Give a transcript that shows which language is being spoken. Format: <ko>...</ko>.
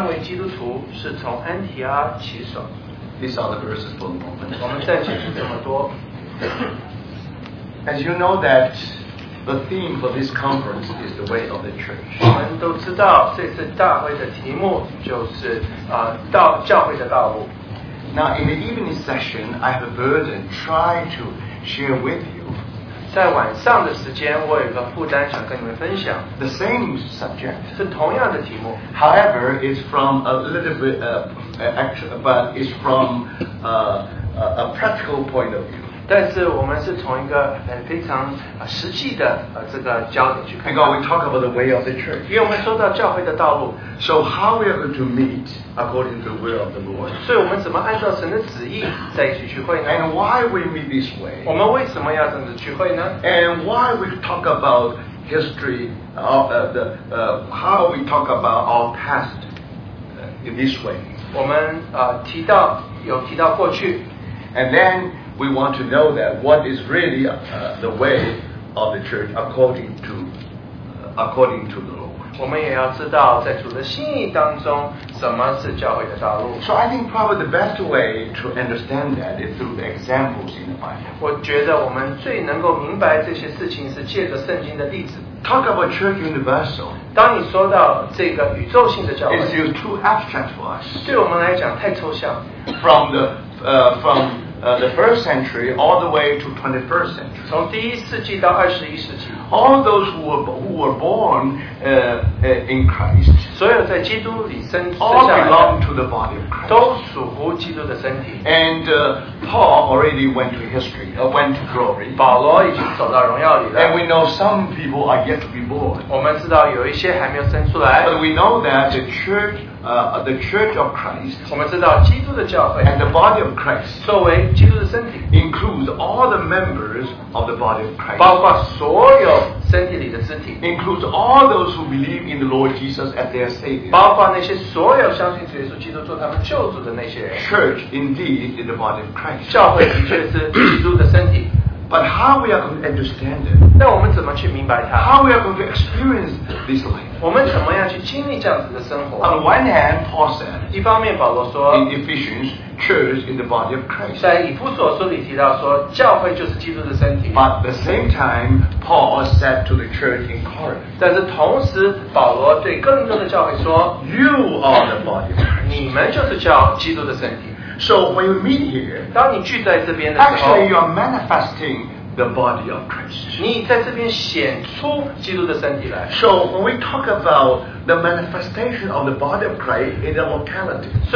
<zh>早早了就带他到安提阿去，他们只有一年的功夫，和教会一同聚集教训了许多人。门徒称为基督徒，是从安提阿起手。</zh> <en>These are the verses for the moment.</en> <zh>我们暂且读这么多。</zh> <en>As you know that the theme for this conference is the way of the church.</en> <zh>我们都知道，这次大会的题目就是教会的道路。</zh> <en>Now, in the evening session, I have a burden try to share with you.</en> <zh>在晚上的时间，我有个负担想跟你们分享。</zh> <en>The same subject.</en> <zh>是同样的题目。</zh> <en>However, it's from a little bit a practical point of view.</en> <zh>但是我们是从一个非常实际的这个焦点去看。</zh> <en>Because we talk about the way of the church.</en> <zh>因为我们说到教会的道路。</zh> <en>So how we are going to meet according to the will of the Lord?</en> <zh>所以我们怎么按照神的旨意在一起聚会呢?</zh> <en>And why we meet this way?</en> <zh>我们为什么要这样子聚会呢?</zh> <en>And why we talk about history, how we talk about our past in this way.</en> <zh>我们提到过去,</zh> <en>and then we want to know that what is really the way of the church according to the Lord.</en> <zh>我们也要知道在主的心意当中什么是教会的道路。</zh> <en>So I think probably the best way to understand that is through the examples in the Bible.</en> <zh>我觉得我们最能够明白这些事情是借着圣经的例子。</zh> <en>Talk about church universal.</en> <zh>当你说到这个宇宙性的教会,</zh> <en>it feels too abstract for us.</en> <zh>对我们来讲太抽象。</zh> <en>From the first century all the way to 21st century.</en> <zh>从第一世纪到21世纪,</zh> <en>all those who were born in Christ,</en> <zh>所有在基督里生,</zh> <en>all belong to the body of Christ.</en> <zh>都属乎基督的身体。</zh> <en>And Paul already went to history, went to glory.</en> <zh>保罗已经走到荣耀里了。</zh> <en>And we know some people are yet to be born.</en> <zh>我们知道有一些还没有生出来。</zh> <en>But we know that the church of Christ,</en> <zh>我们知道基督的教会,</zh> <en>and the body of Christ,</en> <zh>作为基督的身体,</zh> <en>includes all the members of the body of Christ,</en> <zh>包括所有身体里的肢体,</zh> <en>includes all those who believe in the Lord Jesus as their Savior,</en> <zh>包括那些所有相信主耶稣基督做他们救主的那些人,</zh> <en>church indeed is the body of Christ,</en> <zh>教会的确是基督的身体,</zh> <en>but how we are going to understand it?</en> <zh>那我们怎么去明白它?</zh> <en>How we are going to experience this life?</en> <zh>我们怎么样去经历这样子的生活?</zh> <en>On one hand, Paul said,</en> <zh>一方面保罗说,</zh> <en>in Ephesians, church in the body of Christ.</en> <zh>在以弗所书里提到说, 教会就是基督的身体。</zh> <en>But the same time, Paul said to the church in Corinth,</en> <zh>但是同时保罗对更多的教会说,</zh> <en>you are the body of Christ.</en> <zh>你们就是基督的身体。</zh> <en>So when you meet here,</en> <zh>当你聚在这边的时候,</zh> <en>actually you are manifesting the body of Christ.</en> <zh>你在这边显出基督的身体来。</zh> <en>So when we talk about the manifestation of the body of Christ in a locality,</en>